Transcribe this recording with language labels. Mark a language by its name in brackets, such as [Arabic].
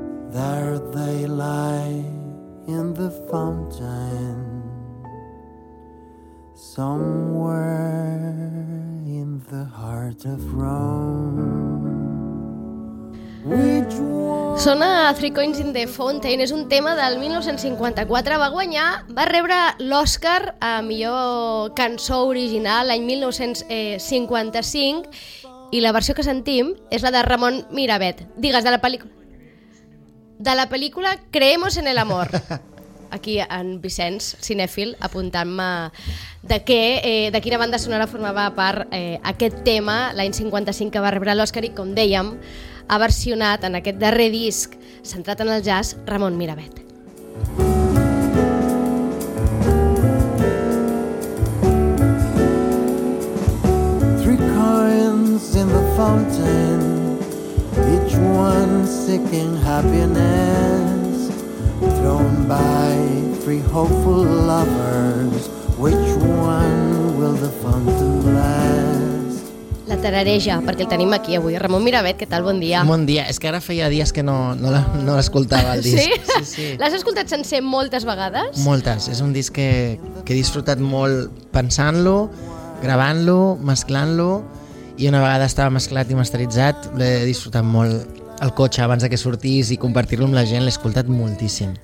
[English] There they lie in the fountain, somewhere in the heart of Rome. Which one? [Catalan] Sona a Three Coins in the Fountain, és un tema del 1954, va rebre l'Oscar a millor cançó original l'any 1955 i la versió que sentim és la de Ramon Mirabet. Digues, de la pel·lícula... De la pel·lícula Creemos en el amor. Aquí en Vicenç, cinèfil, apuntant-me de quina banda sonora formava part aquest tema l'any 55 que va rebre l'Oscar i, com dèiem, ha versionat en aquest darrer disc centrat en el jazz Ramon Mirabet. [English] Three coins in the fountain, each one seeking happiness, thrown by three hopeful lovers, which one will the fountain bless? [Catalan] La tarareja, perquè el tenim aquí avui. Ramon Mirabet, què tal? Bon dia. Bon dia. És que ara feia dies que no l'escoltava, el disc. Sí? Sí, sí. L'has escoltat sencer moltes vegades? Moltes. És un disc que he disfrutat molt pensant-lo, gravant-lo, mesclant-lo, i una vegada estava mesclat i masteritzat, l'he disfrutat molt al cotxe abans que sortís i compartir-lo amb la gent, l'he escoltat moltíssim.